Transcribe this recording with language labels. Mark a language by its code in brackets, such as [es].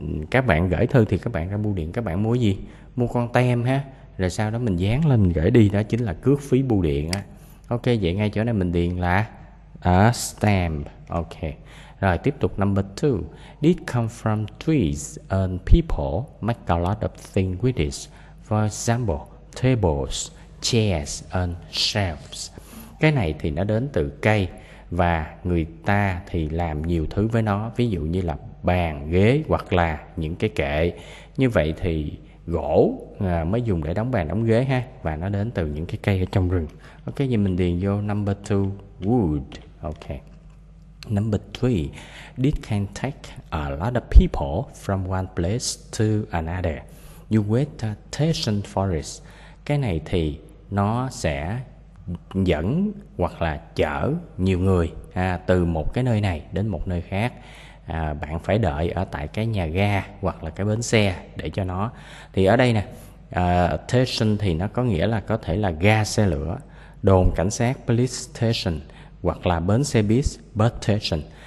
[vi] Các bạn gửi thư thì các bạn ra bưu điện các bạn mua gì? Mua con tem ha. Rồi sau đó mình dán lên mình gửi đi, đó chính là cước phí bưu điện á. Ok, vậy ngay chỗ này mình điền là stamp. Ok. Rồi tiếp tục number 2. [en] This come from trees and people make a lot of things with it. For example, tables, chairs and shelves. [vi] Cái này thì nó đến từ cây và người ta thì làm nhiều thứ với nó, ví dụ như là bàn, ghế hoặc là những cái kệ. Như vậy thì gỗ mới dùng để đóng bàn, đóng ghế ha, và nó đến từ những cái cây ở trong rừng. Ok, vậy mình điền vô number 2, wood. Ok. [en] Number 3, this can take a lot of people from one place to another. You wait a station for it. [vi] Cái này thì nó sẽ dẫn hoặc là chở nhiều người từ một cái nơi này đến một nơi khác. Bạn phải đợi ở tại cái nhà ga hoặc là cái bến xe để cho nó. Thì ở đây nè, station thì nó có nghĩa là có thể là ga xe lửa, đồn cảnh sát police station, hoặc là bến xe bus station.